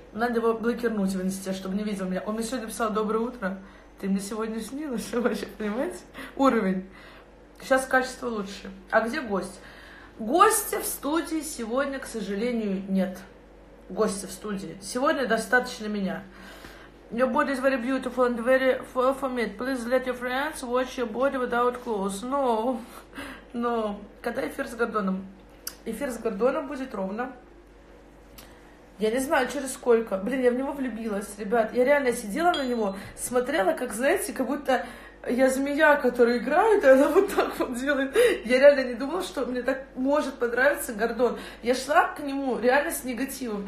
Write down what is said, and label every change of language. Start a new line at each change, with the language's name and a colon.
Russian: Надо его блокирнуть в инсте, чтобы не видел меня. Он мне сегодня писал: «Доброе утро, ты мне сегодня снилась вообще, понимаете? Уровень. Сейчас качество лучше». А где гость? Гостя в студии сегодня, к сожалению, нет. Гостя в студии. Сегодня достаточно меня.
English: Your body is very beautiful and very full for me. Please let your friends watch your body without clothes. No.
Russian: Когда эфир с Гордоном? Эфир с Гордоном будет ровно. Я не знаю, через сколько. Блин, я в него влюбилась, ребят. Я реально сидела на него, смотрела, как, знаете, как будто я змея, которая играет, и она вот так вот делает. Я реально не думала, что мне так может понравиться Гордон. Я шла к нему реально с негативом.